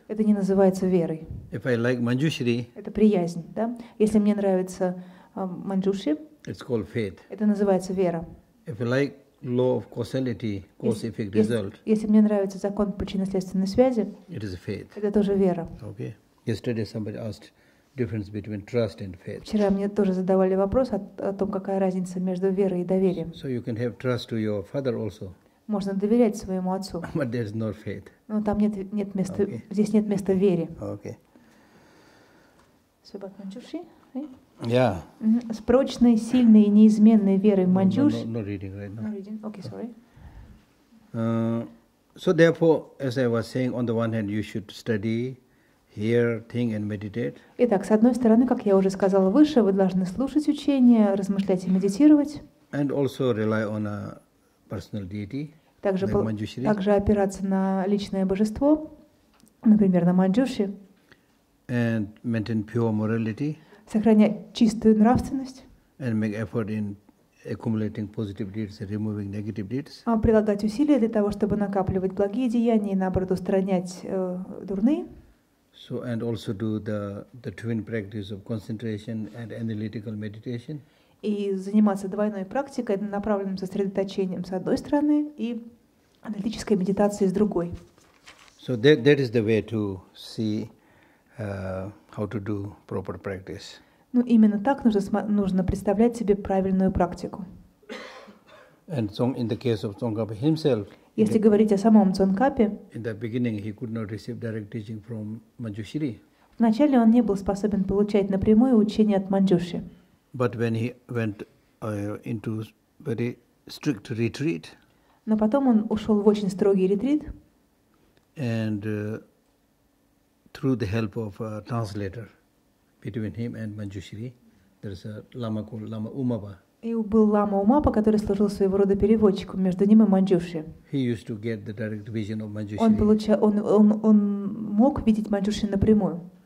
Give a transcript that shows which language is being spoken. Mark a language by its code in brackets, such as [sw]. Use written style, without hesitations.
[ru] Это не называется верой. [en] If I like Manjushri, [ru] это приязнь, да? Если мне нравится Манджуши, [en] it's called faith. [ru] Это называется вера. [en] If I like law of causality, cause-effect result, [ru] если мне нравится закон причинно-следственной связи, [en] it is faith. [ru] Это тоже вера. [en] Okay. Yesterday somebody asked difference between trust and faith. [ru] Вчера мне тоже задавали вопрос о том, какая разница между верой и доверием. [en] So you can have trust to your father also. [ru] Можно доверять своему отцу. [en] But there's no faith. [ru] Но там нет места, okay. Здесь нет места вере. [en] Okay. So about Manjushri, right? Yeah. Mm-hmm. [ru] С прочной, сильной и неизменной верой в Манджуши. [en] No, reading right now. No reading. Okay, sorry. So therefore, as I was saying, on the one hand, you should study, hear, think and meditate. [ru] Итак, с одной стороны, как я уже сказала выше, вы должны слушать учения, размышлять и медитировать. [en] And also rely on a personal deity, [ru] также, [en] like Manjushri. [ru] Также опираться на личное божество, например, на Манджуши. [en] And maintain pure morality. [ru] Сохранять чистую нравственность. [en] And make effort in accumulating positive deeds and removing negative deeds. [ru] А прилагать усилия для того, чтобы накапливать благие деяния и наоборот устранять дурные. [en] So and also do the twin practice of concentration and analytical meditation. [ru] И заниматься двойной практикой, направленным сосредоточением с одной стороны и аналитической медитацией с другой. [en] So that is the way to see how to do proper practice. [ru] Ну, именно так нужно представлять себе правильную практику. [en] And so in the case of Tsongkhapa himself. [ru] Если говорить о самом Цзонгапе, [en] in the beginning he could not receive direct teaching from Manjushri. [ru] Вначале он не был способен получать напрямую учение от Манджуши. [en] But when he went into very strict retreat. [ru] Но потом он ушел в очень строгий ретрит. [en] And through the help of a translator between him and Manjushri, there is a lama called Lama Umapa. [ru] И был лама Умапа, который служил своего рода переводчиком между ним и Манджуши. [en] He used to get the direct vision of Manjushri. [ru] Он мог видеть Манджуши напрямую.